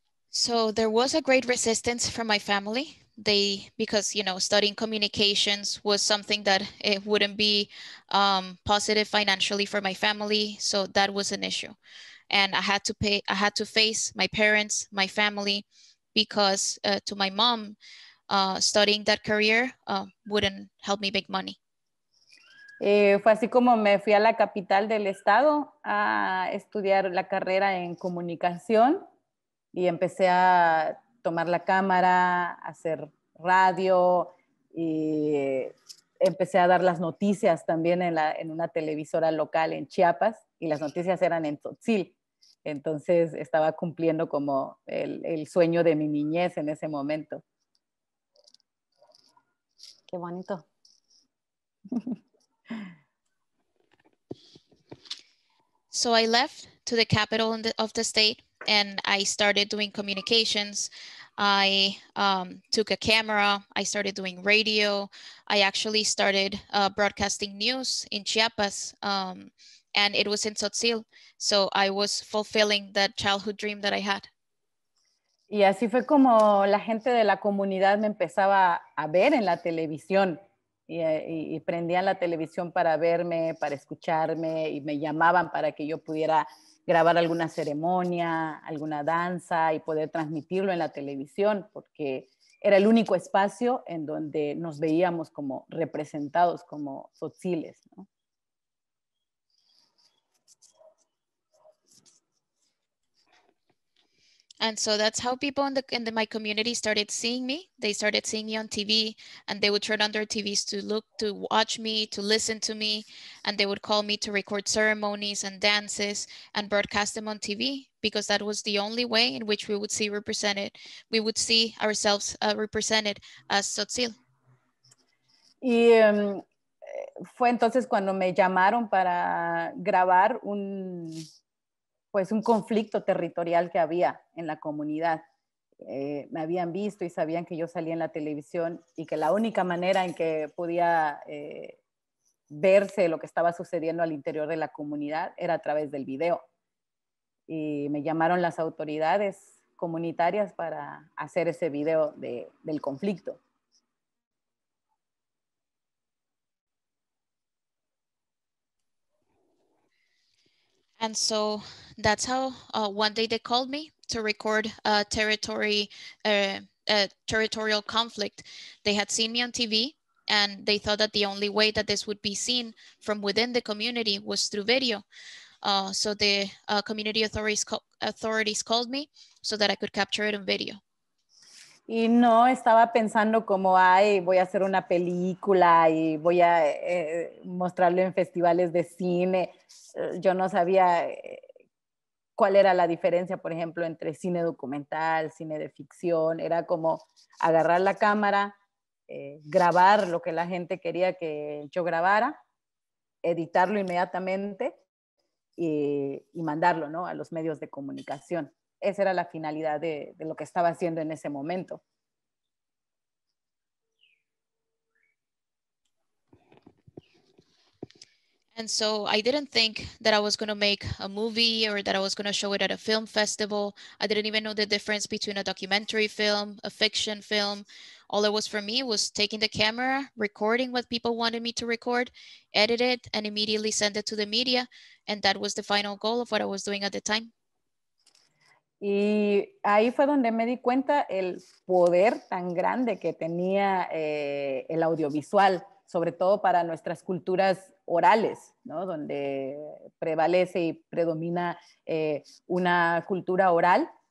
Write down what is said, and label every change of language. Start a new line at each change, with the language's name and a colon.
English: So there was a great resistance from my family. Because you know, studying communications was something that it wouldn't be positive financially for my family. So that was an issue. And I had to face my parents, my family, because to my mom, studying that career wouldn't help me make money.
Spanish: Fue así como me fui a la capital del estado a estudiar la carrera en comunicación. Y empecé a tomar la cámara, hacer radio, y empecé a dar las noticias también en una televisora local en Chiapas, y las noticias eran en Tzotzil. Entonces estaba cumpliendo como el sueño de mi niñez en ese momento. Qué bonito.
English: So I left to the capital of the state. And I started doing communications. I took a camera. I started doing radio. I actually started broadcasting news in Chiapas, and it was in Tzotzil. So I was fulfilling that childhood dream that I had.
Spanish: Y así fue como la gente de la comunidad me empezaba a ver en la televisión. Y prendían la televisión para verme, para escucharme, y me llamaban para que yo pudiera grabar alguna ceremonia, alguna danza y poder transmitirlo en la televisión, porque era el único espacio en donde nos veíamos como representados, como tzotziles, ¿no?
English: And so that's how people in my community started seeing me. They started seeing me on TV, and they would turn on their TVs to look, to watch me, to listen to me, and they would call me to record ceremonies and dances and broadcast them on TV, because that was the only way in which we would see represented, we would see ourselves represented as Tzotzil.
Spanish: Y fue entonces cuando me llamaron para grabar un conflicto territorial que había en la comunidad. Me habían visto y sabían que yo salía en la televisión y que la única manera en que podía verse lo que estaba sucediendo al interior de la comunidad era a través del video. Y me llamaron las autoridades comunitarias para hacer ese video del conflicto.
English: And so that's how one day they called me to record a territorial conflict. They had seen me on TV and they thought that the only way that this would be seen from within the community was through video. So the community authorities called me so that I could capture it on video.
Spanish: Y no estaba pensando como, ay, voy a hacer una película y voy a mostrarlo en festivales de cine. Yo no sabía cuál era la diferencia, por ejemplo, entre cine documental, cine de ficción. Era como agarrar la cámara, grabar lo que la gente quería que yo grabara, editarlo inmediatamente y mandarlo, ¿no?, a los medios de comunicación. Esa era la finalidad de lo que estaba haciendo en ese momento.
English: And so I didn't think that I was going to make a movie or that I was going to show it at a film festival. I didn't even know the difference between a documentary film, a fiction film. All it was for me was taking the camera, recording what people wanted me to record, edit it, and immediately send it to the media. And that was the final goal of what I was doing at the time.
Spanish: Y ahí fue donde me di cuenta el poder tan grande que tenía el audiovisual, sobre todo para nuestras culturas orales, ¿no?, donde prevalece y predomina una cultura oral.